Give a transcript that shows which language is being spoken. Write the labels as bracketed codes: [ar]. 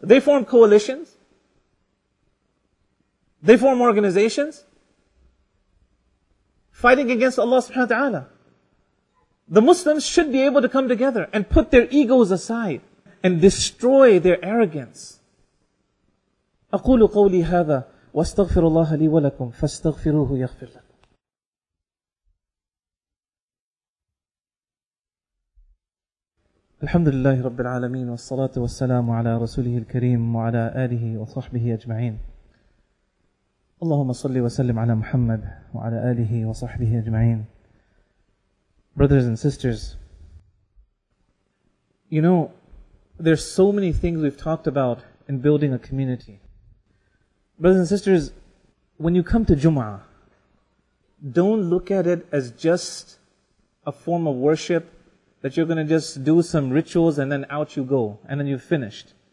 [en] They form coalitions. They form organizations fighting against Allah subhanahu wa ta'ala. The Muslims should be able to come together and put their egos aside and destroy their arrogance. [ar] أقول قولي هذا واستغفر الله لي ولكم فاستغفروه يغفر لكم. الحمد لله رب العالمين والصلاة والسلام على رسوله الكريم وعلى آله وصحبه أجمعين. اللهم صل وسلم على محمد وعلى آله وصحبه أجمعين. [en] Brothers and sisters, you know, there's so many things we've talked about in building a community. Brothers and sisters, when you come to Jumu'ah, don't look at it as just a form of worship that you're going to just do some rituals and then out you go, and then you've finished.